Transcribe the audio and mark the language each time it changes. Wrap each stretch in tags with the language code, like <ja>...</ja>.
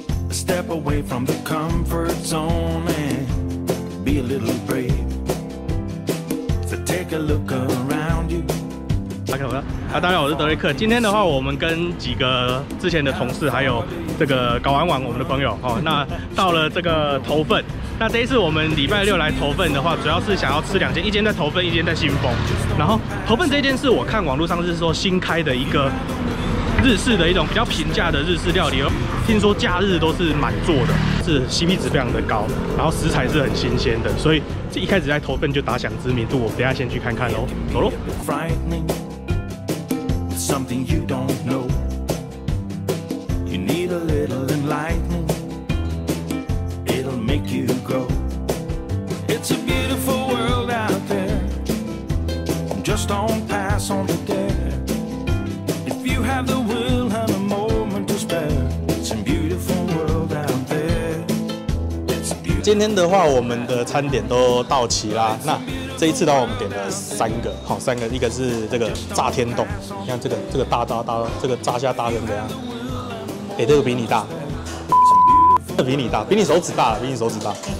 <en>A step away from the comfort zone and be a little brave. So take a look around you. Okay, okay.</en> <zh>啊，大家好，我是德瑞克。今天的话，我们跟几个之前的同事，还有这个搞玩玩我们的朋友，哦，那到了这个头份。那这一次我们礼拜六来头份的话，主要是想要吃两间，一间在头份，一间在新丰。然后头份这间是我看网络上是说新开的一个日式的一种比较平价的日式料理，听说假日都是满座的，是 CP 值非常的高，然后食材是很新鲜的，所以这一开始在头份就打响知名度。我等一下先去看看喽，走喽。</zh> <en>Something you don't know. You need a little enlightenment. It'll make you grow. It's a beautiful world out there. Just don't pass on the dare. If you have the will and a moment to spare, it's a beautiful world out there. It's beautiful.</en> <zh>今天的话，我们的餐点都到齐啦。那这一次的话，我们点了三个，好，三个，一个是这个炸天洞，你看这个大，这个炸虾大成怎样？哎、欸，这个比你大，这個、比你大，比你手指大，比你手指大。</zh>